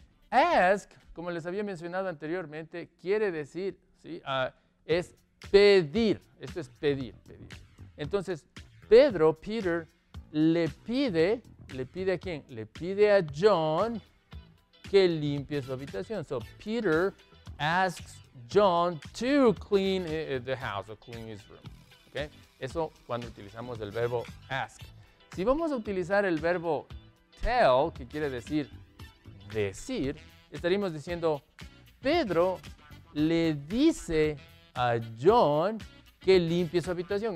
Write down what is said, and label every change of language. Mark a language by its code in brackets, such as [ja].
[es] Ask, como les había mencionado anteriormente, quiere decir, ¿sí? Es pedir. Esto es pedir, pedir. Entonces, Peter le pide a quién? Le pide a John que limpie su habitación. [en] So, Peter asks John to clean the house or clean his room. Okay? [es] Eso cuando utilizamos el verbo ask. Si vamos a utilizar el verbo tell, que quiere decir decir, estaríamos diciendo, Pedro le dice a John que limpie su habitación.